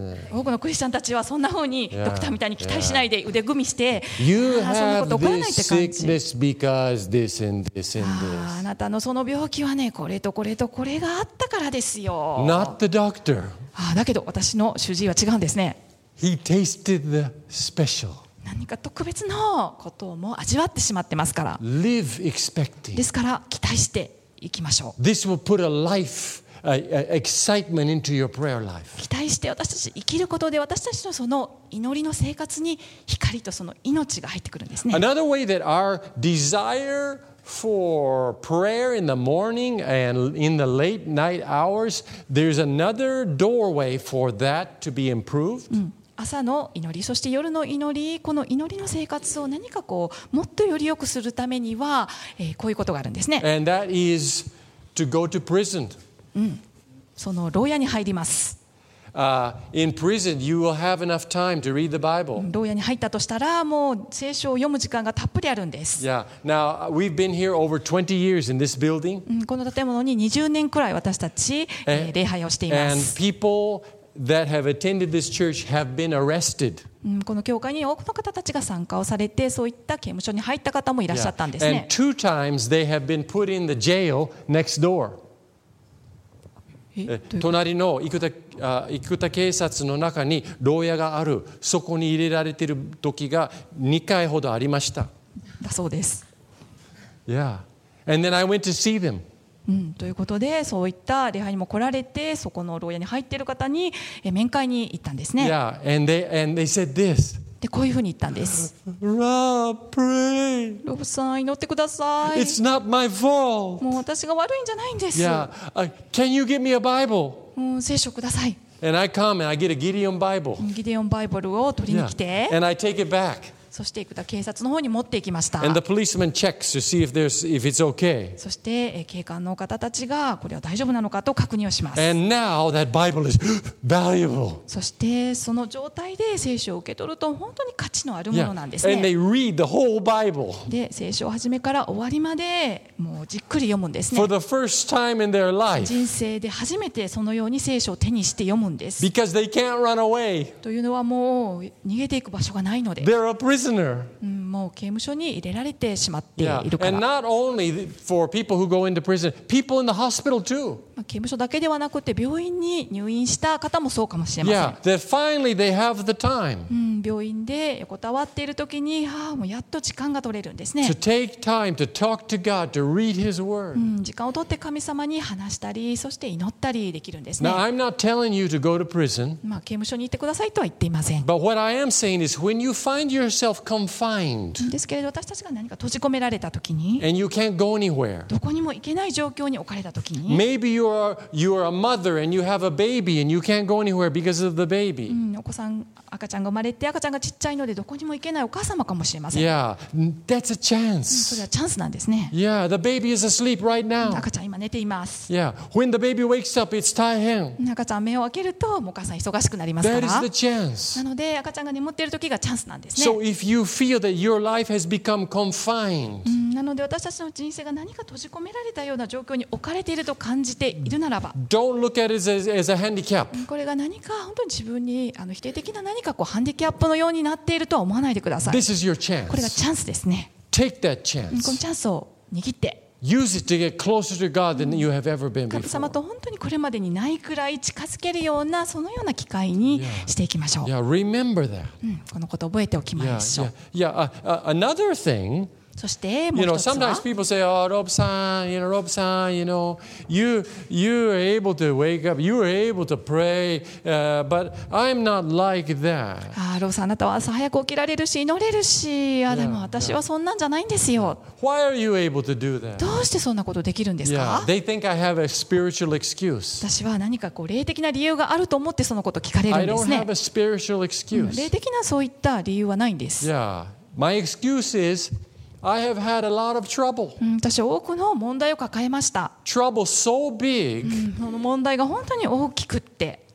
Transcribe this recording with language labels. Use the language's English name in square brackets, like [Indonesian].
[Japanese] 多くのクリスチャンたちはそんな風にドクターみたいに期待しないで腕組みして、 [English] You have this sickness because this and this and this. [Japanese] あなたのその病気はね、これとこれとこれがあったからですよ。 [English] Not the doctor. [Japanese] だけど私の主治医は違うんですね。 [English] He tasted the special. [Japanese] 何か特別なことをもう味わってしまってますから。 [English] Live expecting. [Japanese] ですから期待していきましょう。 [English] This will put a life, excitement into your prayer life. [Japanese] 期待して私たち生きることで私たちのその祈りの生活に光とその命が入ってくるんですね。 [English] Another way that our desire for prayer in the morning and in the late night hours, there's another doorway for that to be improved. [Japanese] 朝の祈り、そして夜の祈り、この祈りの生活を何かこうもっとより良くするためには、こういうことがあるんですね。 [English] And that is to go to prison. [Japanese] その牢屋に入ります。 [English] In prison, you will have enough time to read the Bible. [Japanese] 牢屋に入ったとしたら、もう聖書を読む時間がたっぷりあるんです。 [English] Yeah. Now we've been here over 20 years in this building. [Japanese] この建物に20年くらい私たち礼拝をしています。 [English] And peopleThat have attended this church have been arrested. [Japanese] この教会に多くの方たちが参加をされて、そういった刑務所に入った方もいらっしゃったんですね。 [English] And two times they have been put in the jail next door. [Japanese] 隣の生田警察の中に牢屋がある。そこに入れられている時が2回ほどありました。だそうです。 [English] Yeah. And then I went to see them. [Japanese] ということで、そういった礼拝にも来られて、そこの牢屋に入っている方に面会に行ったんですね。 [English] Yeah, and they said this. [Japanese] で、こういうふうに言ったんです。 [English] Rob, pray. [Japanese] ロブさん、祈ってください。 [English] It's not my fault. [Japanese] もう私が悪いんじゃないんです。 [English] Yeah, can you give me a Bible? [Japanese] 聖書ください。 [English] And I come and I get a Gideon Bible. [Japanese] ギデオンバイブルを取りに来て。 [English] Yeah, and I take it back. [Japanese] そして行くと警察の方に持って行きました。 [English] And the policeman checks to see if there's if it's okay. [Japanese] そして警官の方たちがこれは大丈夫なのかと確認をします。 [English] And now that Bible is valuable. [Japanese] そしてその状態で聖書を受け取ると本当に価値のあるものなんですね。 [English] Yeah. And they read the whole Bible. [Japanese] で聖書を始めから終わりまでもうじっくり読むんですね。 [English] For the first time in their life. [Japanese] 人生で初めてそのように聖書を手にして読むんです。 [English] Because they can't run away. [Japanese] というのはもう逃げていく場所がないので。 [English] They're a prisoner. [Japanese] ももう刑務所に入れられてしまっているから。 [English] And not only for people who go into prison, people in the hospital too. [Japanese] 刑務所だけではなくて病院に入院した方もそうかもしれません。 [English] Yeah. That finally they have the time. [Japanese] 病院で横たわっているときに、ああもうやっと時間が取れるんですね。 [English] To take time to talk to God, to read His word. [Japanese] 時間を取って神様に話したり、そして祈ったりできるんですね。 [English] Now I'm not telling you to go to prison. [Japanese] 刑務所に行ってくださいとは言っていません。 [English] But what I am saying is when you find yourself confined. [Japanese] ですけれど、私たちが何か閉じ込められたときに、 [English] and you can't go anywhere. [Japanese] どこにも行けない状況に置かれたときに、 [English] maybe you are a mother and you have a baby and you can't go anywhere because of the baby. [Japanese] お子さん、赤ちゃんが生まれて赤ちゃんがちっちゃいのでどこにも行けないお母様かもしれません。 [English] Yeah, that's a chance. [Japanese] それはチャンスなんですね。 [English] Yeah, the baby is asleep right now. [Japanese] 赤ちゃん今寝ています。 [English] Yeah, when the baby wakes up, it's 大変。 [Japanese] 赤ちゃん目を開けるとお母さん忙しくなりますから。 [English] That is the chance. [Japanese] なので赤ちゃんが眠っている時がチャンスなんですね。 [English] So if you feel that your life has become confined. [Japanese] なので私たちの人生が何か閉じ込められたような状況に置かれていると感じているならば、 [English] Don't look at it as a handicap. [Japanese] これが何か本当に自分に否定的な何かこうハンディキャップのようになっているとは思わないでください。 [English] This is your chance. [Japanese] これがチャンスですね。 [English] Take that chance. [Japanese] このチャンスを握って。 [English] Use it to get closer to God than you have ever been before. [Japanese] 神様と本当にこれまでにないくらい近づけるようなそのような機会にしていきましょう。 [English] Yeah, remember that. [Japanese] このことを覚えておきましょう。 [English] Yeah, yeah, yeah. Another thing. [Japanese] そしてもう一つは。 [English] You know, sometimes people say, "Oh, Rob San, you know, Rob San, you know, you are able to wake up, you are able to pray, but I'm not like that." [Japanese] ああ、ロブさん、あなたは朝早く起きられるし、祈れるし、あ、でも私はそんなんじゃないんですよ。 [English] Why are you able to do that? [Japanese] どうしてそんなことできるんですか？ [English] Yeah, they think I have a spiritual excuse. [Japanese] 私は何かこう霊的な理由があると思ってそのこと聞かれるんですね。 [English] I don't have a spiritual excuse. [Japanese] 霊的なそういった理由はないんです。 [English] Yeah, my excuse is I have had a lot of trouble. [Japanese] 私は多くの問題を抱えました。 [English] Trouble so big. [Japanese] その問題が本当に大きくって。